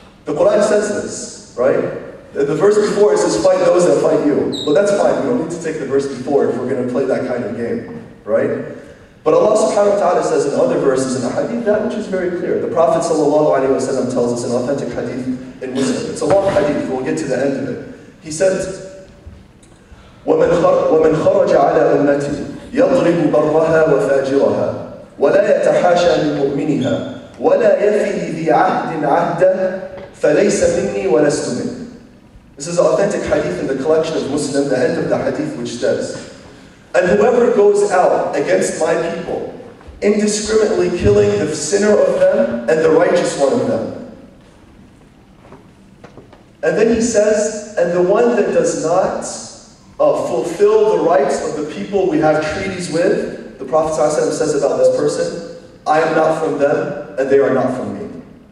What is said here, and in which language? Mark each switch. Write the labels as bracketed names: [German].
[English] The Quran says this, right? The verse before, it says, fight those that fight you. Well, that's fine. We don't need to take the verse before if we're going to play that kind of game, right? But Allah subhanahu wa ta'ala says in other verses in the hadith that which is very clear. The Prophet sallallahu alayhi wa sallam tells us an authentic hadith in Muslim. It's a long hadith, we'll get to the end of it. He said, [Arabic] وَمَنْ خَرَجَ عَلَىٰ أُمَّتِي يَضْرِبُ بَرَّهَا وَفَاجِرَهَا وَلَا يَتَحَاشَى مِنْ مُؤْمِنِهَا ولا يفي ذي عهد عهدا فليس مني ولست منه. [English] This is an authentic hadith in the collection of Muslim, the end of the hadith, which says, and whoever goes out against my people, indiscriminately killing the sinner of them and the righteous one of them. And then he says, and the one that does not fulfill the rights of the people we have treaties with, the Prophet ﷺ says about this person, I am not from them and they are not from me.